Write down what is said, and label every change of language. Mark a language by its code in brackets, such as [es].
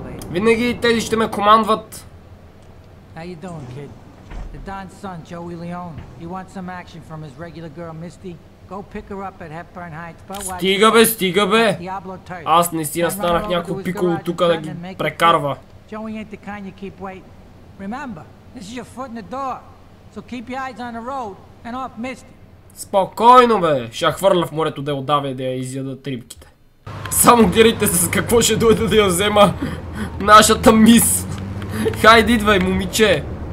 [bg] Винаги тези ще ме командват. [en] How you doing, kid? The Don's son, Joey Leone. He wants some action from his regular girl, Misty. Go pick her up at Hepburn Heights. [bg] Стига бе, стига бе! Аз наистина станах някакво пиколо тука да ги прекарва. [en] Joey ain't the kind you keep waiting. Remember, this is your foot in the door. So keep your eyes on the road and off Misty. [bg] Спокойно бе, ще я хвърля в морето да я отдаве да я изядат рибките. Само гледайте с какво ще дойде да я взема нашата мис. Хайде, идвай, момиче.